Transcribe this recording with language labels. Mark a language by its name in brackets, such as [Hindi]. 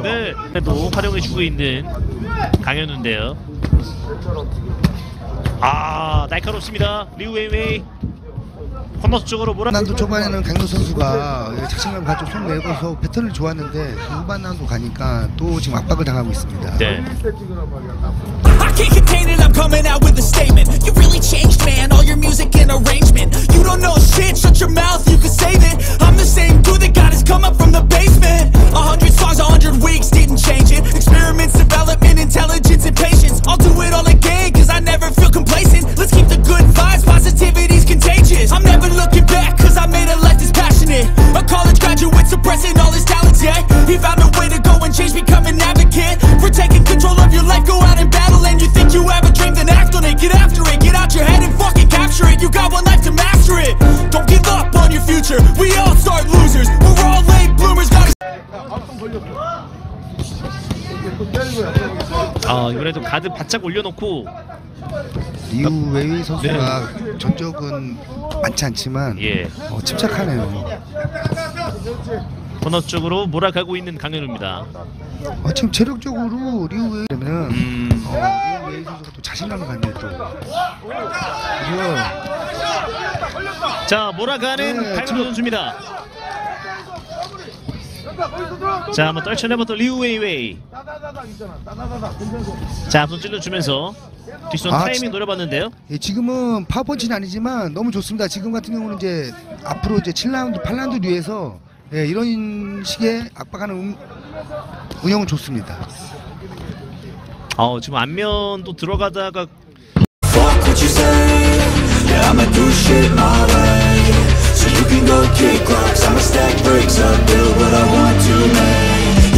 [Korean] 네, 또 활용해주고 있는 강현우인데요. 아, 날카롭습니다. 리우 웨이웨이. 코너스 쪽으로 몰아. 난도 초반에는 강현우 선수가 자신감을 가지고 손 내고서 배턴을 좋았는데 후반 난도 가니까 또 지금 압박을 당하고 있습니다. 네. [English] I can't contain it, I'm coming out with a statement. You really changed, man, all your music and arrangement. You don't know shit, shut your mouth, you can save it. I'm the same dude that got his come up from the basement. 100 songs, 100 weeks, didn't change it. Experiments, development, intelligence, and patience. I'll do it all again, 'cause I never feel complacent. Let's keep the good vibes, positivity's contagious. I'm never looking back, 'cause I made a life that's passionate. A college graduate suppressing all his talents, yeah. He found a way to go and change, become an advocate. For taking control of your life, go out and battle. And you think you have a dream, then act on it. Get after it, get out your head and fucking capture it. You got one life to master it. Don't give up on your future. We all start losers, we're all late bloomers. [Korean] 아, 이번에도 가드 바짝 올려놓고 리우 웨이 선수가. 네. 전적은 많지 않지만 예. 어, 침착하네요. 코너 쪽으로 몰아가고 있는 강현우입니다. 어, 지금 체력적으로 리우 웨이면은 리우 웨이 선수가 또 자신감을 갖네요. 또. 자, 몰아가는 네, 강현우 선수입니다. 자, 한번 떨쳐내봤던 리우 웨이웨이. 자, 앞손 찔러주면서 뒷손 아, 타이밍 노려봤는데요. 예, 지금은 파워펀치는 아니지만 너무 좋습니다. 지금 같은 경우는 이제 앞으로 이제 7라운드, 8라운드 뒤에서 예, 이런 식의 압박하는 운영은 좋습니다. 어, 지금 안면도 들어가다가 [English] Fuck what you say. Yeah, I'ma do shit my way. So you can go kick rocks, I'ma stack bricks up, build what I want to make.